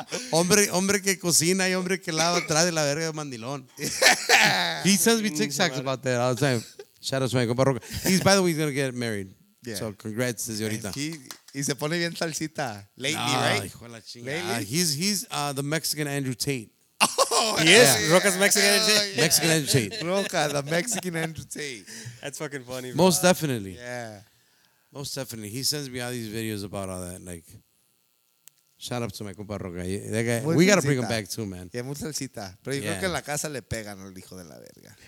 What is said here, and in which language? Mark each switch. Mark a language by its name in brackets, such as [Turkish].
[Spanish] hombre que cocina y hombre que lava atrás de la verga de mandilón. [English] He sends me TikToks about that all the time. Shout out to my copa Roca. He's, by the way, he's gonna get married. Yeah. So congrats, [Spanish] desde ahorita. Y se pone bien salsita. [English] Lately, right? [Spanish] Hijo de la chingada. [English] He's the Mexican Andrew Tate. Oh, he is. Yeah. Roca's Mexican Andrew Tate. Yeah. Mexican Andrew Tate. Roca, the Mexican Andrew Tate. That's fucking funny, bro. Most definitely. Yeah. Most definitely. He sends me all these videos about all that. Like, shout out to my compa Roca. That guy, we got to bring him back too, man. [Spanish] Yeah, muy salsita. Pero yo creo que en la casa le pegan al hijo de la verga.